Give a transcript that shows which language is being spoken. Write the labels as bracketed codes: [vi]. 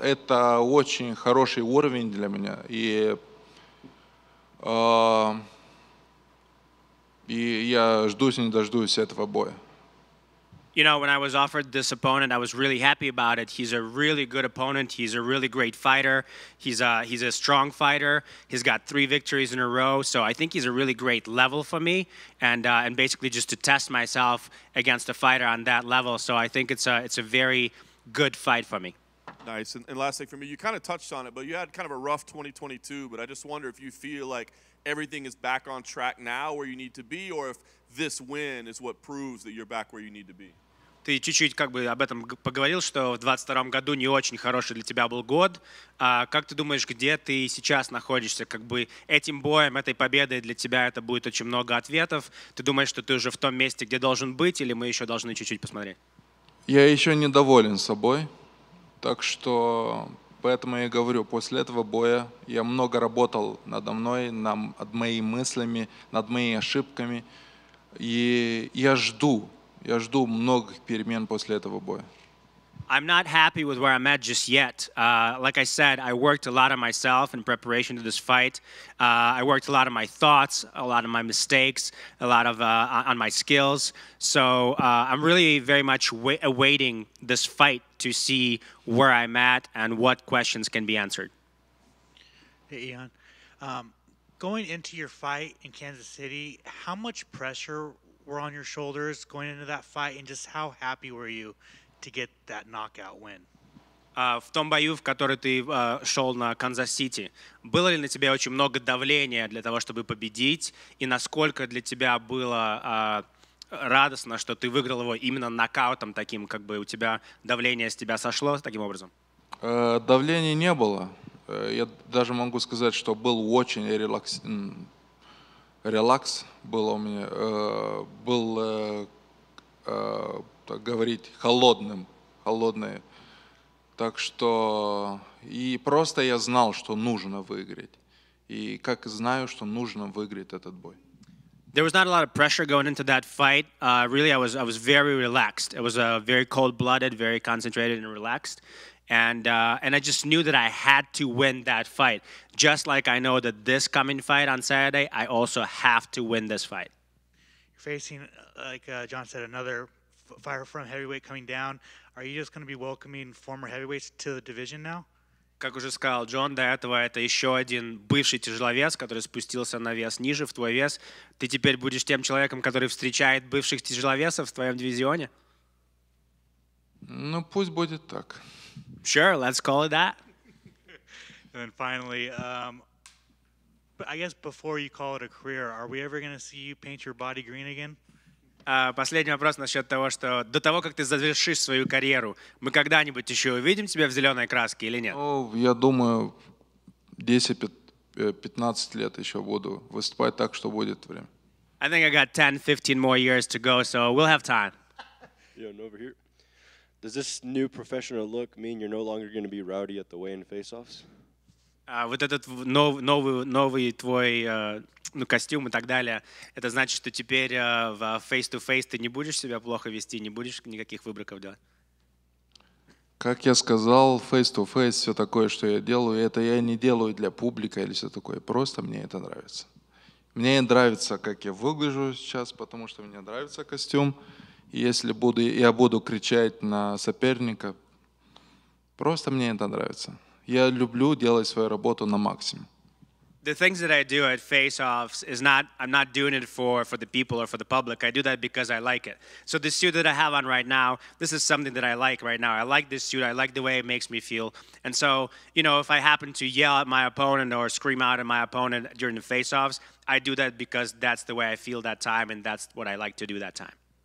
[ru] Это очень хороший уровень для меня. И я ждусь, не дождусь этого боя. [en] You know, when I was offered this opponent, I was really happy about it. He's a really good opponent. He's a really great fighter. He's a strong fighter. He's got three victories in a row. So I think he's a really great level for me. And basically just to test myself against a fighter on that level. So I think it's a very good fight for me. Nice. And last thing for me, you kind of touched on it, but you had kind of a rough 2022. But I just wonder if you feel like everything is back on track now where you need to be, or if this win is what proves that you're back where you need to be. [ru] Ты чуть-чуть как бы об этом поговорил, что в 22-м году не очень хороший для тебя был год. Как ты думаешь, где ты сейчас находишься? Как бы этим боем, этой победой для тебя это будет очень много ответов. Ты думаешь, что ты уже в том месте, где должен быть, или мы еще должны чуть-чуть посмотреть? Я еще недоволен собой. Так что поэтому я и говорю, после этого боя я много работал надо мной, над моими мыслями, над моими ошибками. И я жду многих перемен после этого боя. [en] I'm not happy with where I'm at just yet. Like I said, I worked a lot on myself in preparation to this fight. I worked a lot on my thoughts, a lot of my mistakes, a lot of on my skills. So I'm really very much awaiting this fight to see where I'm at and what questions can be answered. Hey, Ian. Going into your fight in Kansas City, how much pressure were on your shoulders going into that fight, and just how happy were you to get that knockout win? [ru] В том бою, в который ты шел на Канзас-Сити, было ли на тебя очень много давления для того, чтобы победить, и насколько для тебя было радостно, что ты выиграл его именно нокаутом таким, как бы у тебя давление с тебя сошло таким образом? Давления не было. Я даже могу сказать, что был очень релакс был у меня, был, так говорить, холодным холодные. Так что и просто я знал, что нужно выиграть. И как знаю, что нужно выиграть этот бой. [en] There was not a lot of pressure going into that fight. Really, I was very relaxed. It was a very cold-blooded, very concentrated and relaxed. And I just knew that I had to win that fight. Just like I know that this coming fight on Saturday, I also have to win this fight. You're facing, like John said, another fighter from heavyweight coming down. Are you just going to be welcoming former heavyweights to the division now? [ru] Как уже сказал Джон, до этого это еще один бывший тяжеловес, который спустился на вес ниже, в твой вес. Ты теперь будешь тем человеком, который встречает бывших тяжеловесов в твоем дивизионе? Ну, пусть будет так. [en] Sure, let's call it that. And finally, I guess before you call it a career, are we ever going to see you paint your body green again? [ru] Последний вопрос насчет того, что до того, как ты завершишь свою карьеру, мы когда-нибудь еще увидим тебя в зеленой краске или нет? Ну, я думаю, 10-15 лет еще буду выступать, так что будет время. [en] I think I got 10-15 more years to go, so we'll have time. Yeah, and over here. Does this new professional look mean you're no longer going to be rowdy at the weigh-in face-offs? [ru] Вот этот новый твой... Ну, костюм и так далее. Это значит, что теперь в face-to-face ты не будешь себя плохо вести, не будешь никаких выборков делать? Как я сказал, face-to-face, все такое, что я делаю, это я не делаю для публики или все такое. Просто мне это нравится. Мне нравится, как я выгляжу сейчас, потому что мне нравится костюм. И если буду, я буду кричать на соперника, просто мне это нравится. Я люблю делать свою работу на максимум. [en] The things that I do at face-offs is not, I'm not doing it for the people or for the public. I do that because I like it. So the suit that I have on right now, this is something that I like right now. I like this suit. I like the way it makes me feel. And so, you know, if I happen to yell at my opponent or scream out at my opponent during the face-offs, I do that because that's the way I feel that time and that's what I like to do that time.